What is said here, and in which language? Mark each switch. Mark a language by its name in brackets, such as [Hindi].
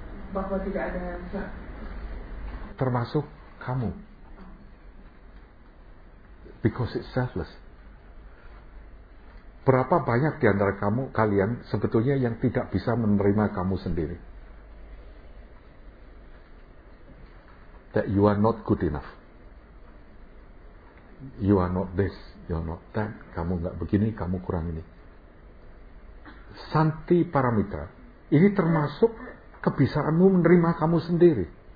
[Indonesian] Bahwa tidak ada. Termasuk kamu. [English] because it's selfless. [Indonesian] Berapa banyak di antara kamu, kalian sebetulnya yang tidak bisa menerima kamu sendiri? [English] That you are not good enough. You are not this, you are not that. [Indonesian] Kamu enggak begini, kamu kurang ini. Santi paramita, ini termasuk kebiasaanmu menerima kamu sendiri.